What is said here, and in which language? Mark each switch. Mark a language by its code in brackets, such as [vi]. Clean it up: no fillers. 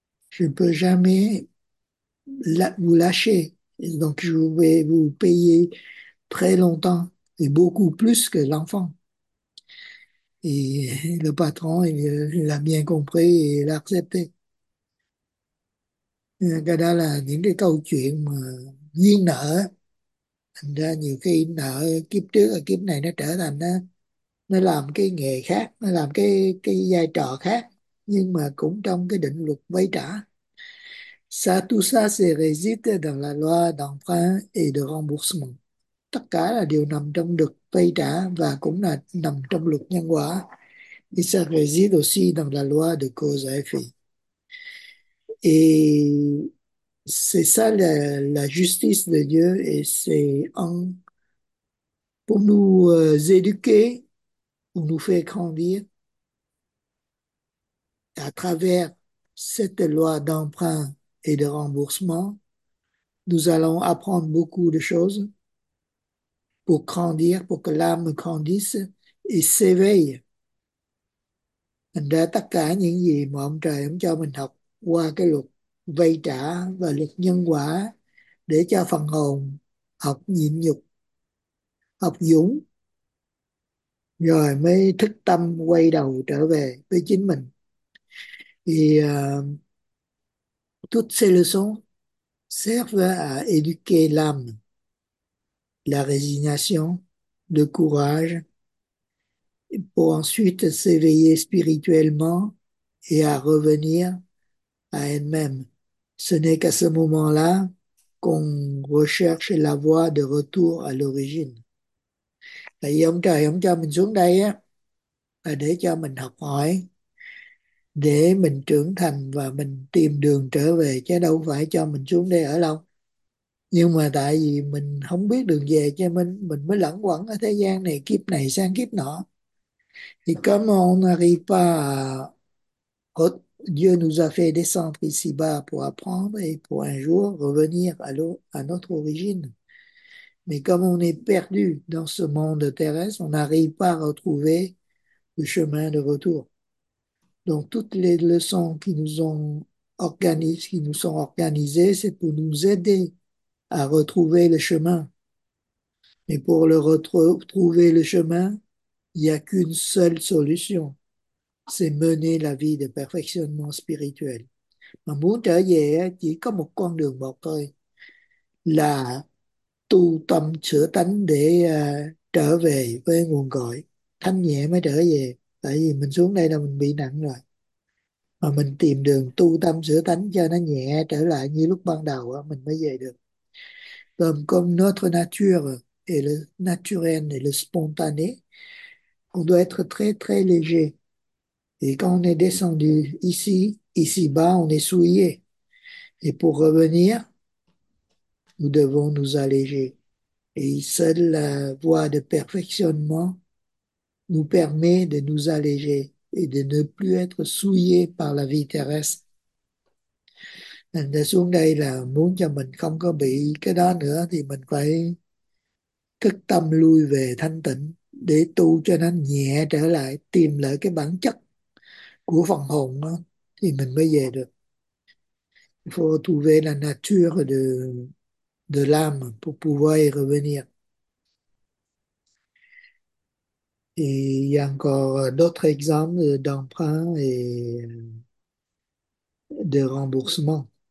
[fr] Je ne peux jamais vous lâcher. Et donc, je vais vous payer très longtemps et beaucoup plus que l'enfant. Et le patron, il a bien compris et il a accepté. [vi] Là, những cái câu chuyện mà duyên nợ, thành ra nhiều khi nợ kiếp trước và kiếp này nó trở thành nó làm cái nghề khác, nó làm cái vai trò khác, nhưng mà cũng trong cái định luật vay trả. [fr] Ça, tout ça, c'est résulté dans la loi d'emprunt et de remboursement. [vi] Tất cả là đều nằm trong luật vay trả và cũng là nằm trong luật nhân quả. [fr] Et ça réside aussi dans la loi de cause à effet. Et c'est ça la justice de Dieu, et c'est pour nous éduquer, pour nous faire grandir à travers cette loi d'emprunt et de remboursement. Nous allons apprendre beaucoup de choses pour grandir, pour que l'âme grandisse et s'éveille. [vi] Thành ra tất cả những gì mà ông trời ông cho mình học qua cái luật vay trả và luật nhân quả để cho phần hồn học nhịn nhục, học dũng, rồi mới thức tâm quay đầu trở về với chính mình. [fr] Thì toutes ces leçons servent à éduquer l'âme, la résignation, le courage, pour ensuite s'éveiller spirituellement et à revenir à elle-même. Ce n'est qu'à ce moment-là qu'on recherche la voie de retour à l'origine. [vi] Tại vì ông trời ông cho mình xuống đây á, là để cho mình học hỏi, để mình trưởng thành và mình tìm đường trở về, chứ đâu phải cho mình xuống đây ở lâu. Nhưng mà tại vì mình không biết đường về cho mình mới lẩn quẩn ở thế gian này, kiếp này sang kiếp nọ. [fr] Thì comme on n'arrive pas à... Dieu nous a fait descendre ici-bas pour apprendre et pour un jour revenir à notre origine. Mais comme on est perdu dans ce monde terrestre, on n'arrive pas à retrouver le chemin de retour. Donc toutes les leçons qui nous sont organisées, c'est pour nous aider à retrouver le chemin. Mais pour le retrouver le chemin, il n'y a qu'une seule solution. C'est mener la vie de perfectionnement spirituel. [vi] Mà muốn trở về chỉ có một con đường một thôi, là tu tâm sửa tánh để trở về với nguồn cội. Thanh nhẹ mới trở về. Tại vì mình xuống đây là mình bị nặng rồi. Mà mình tìm đường tu tâm sửa tánh cho nó nhẹ trở lại như lúc ban đầu mình mới về được. [fr] Comme notre nature est le naturel et le spontané, on doit être très très léger. Et quand on est descendu ici-bas, on est souillé. Et pour revenir, nous devons nous alléger. Et seule la voie de perfectionnement nous permet de nous alléger et de ne plus être souillé par la vie terrestre. [vi] Mình đã xuống đây là muốn cho mình không có bị cái đó nữa, thì mình phải thức tâm lui về thanh tịnh để tu cho nó nhẹ trở lại, tìm lại cái bản chất của phần hồn đó, thì mình mới về được. [fr] Faut trouver la nature de l'âme pour pouvoir y revenir. Et il y a encore d'autres exemples d'emprunt et de remboursement.